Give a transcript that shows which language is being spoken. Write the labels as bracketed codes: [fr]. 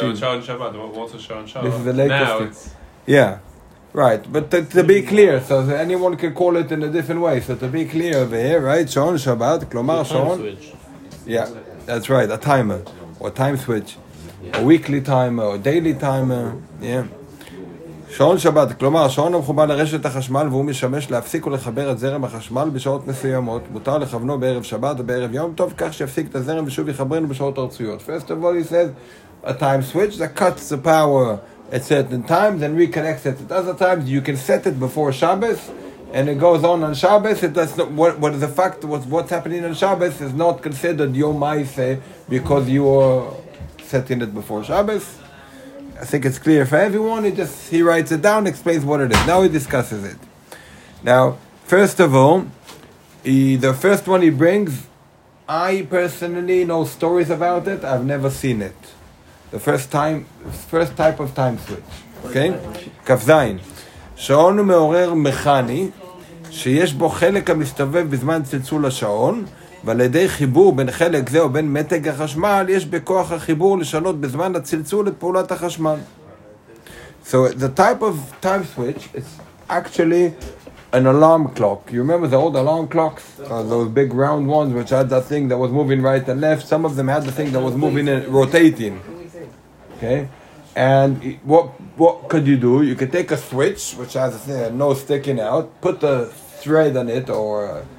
[en] So, Shon Shabbat, what's a Shon Shabbat? This is the latest. Now it's... Yeah, right. But to be clear, so that anyone can call it in a different way. So, to be clear over here, right? Shon Shabbat, Klomar Shon. Yeah, that's right, a timer. Or a time switch. Yeah. A weekly timer, or a daily timer. Yeah. [he] שעון שבת, כלומר, שעון המחובר לרשת החשמל והוא משמש להפסיק ולחבר את זרם החשמל בשעות מסוימות, מותר לכוונו בערב שבת או בערב יום טוב, כך שיפסיק את הזרם ושוב יחברנו בשעות הרצויות. [en] First of all, he says, a time switch that cuts the power at certain times and reconnects it. At other times, you can set it before Shabbos and it goes on Shabbos. What's happening on Shabbos is not considered Yom Ma'ase because you are setting it before Shabbos. I think it's clear for everyone. He writes it down, explains what it is. Now he discusses it. Now, first of all, the first one he brings, I personally know stories about it. I've never seen it. The first type of time switch. Okay? Kafzain. [he] Shaon me'orer mechani, sheyesh bo chelek ha-mistavev bizman tzitzul ha-shaon, ועל ידי חיבור בין חלק זה או בין מתג החשמל, יש בכוח החיבור לשנות בזמן הצלצול את פעולת החשמל. [en] So the type of time switch is actually an alarm clock. You remember the old alarm clocks? Those big round ones which had that thing that was moving right and left. Some of them had the thing that was moving and rotating. Okay? And what could you do? You could take a switch, which has a nose sticking out, put the thread on it or...